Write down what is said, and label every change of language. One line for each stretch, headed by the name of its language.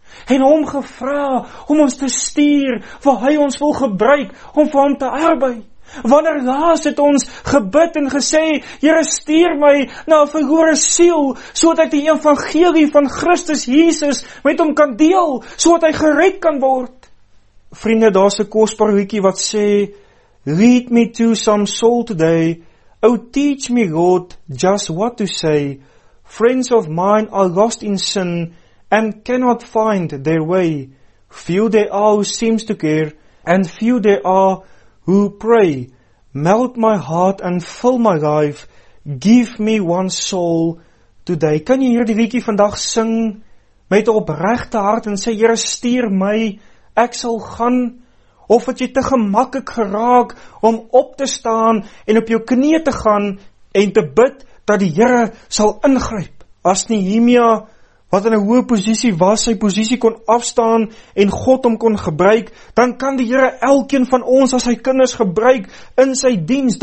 Afrikaans: En hom gevra om ons te stuur waar hy ons wil gebruik om vir hom te arbei. Wanneer laas het ons gebid en gesê, Here, stuur my na 'n verlore siel, so dat ek die evangelie van Christus Jesus met hom kan deel, so dat hy gered kan word. Vriende, daar's 'n kosbare liedjie wat sê,
English: Lead me to some soul today, O teach me God just what to say, Friends of mine are lost in sin, and cannot find their way. Few there are who seems to care, and few there are who pray. Melt my heart and fill my life, give me one soul today.
Afrikaans: Kan jy hierdie liedjie vandag sing met opregte hart en sê, Here, stuur my, ek sal gaan? Of het jy te gemaklik geraak om op te staan en op jou knie te gaan en te bid dat die Here sal ingryp? As Nehemia, wat in 'n hoë posisie was, sy posisie kon afstaan en God hom kon gebruik, dan kan die Here elkeen van ons as sy kinders gebruik in sy diens.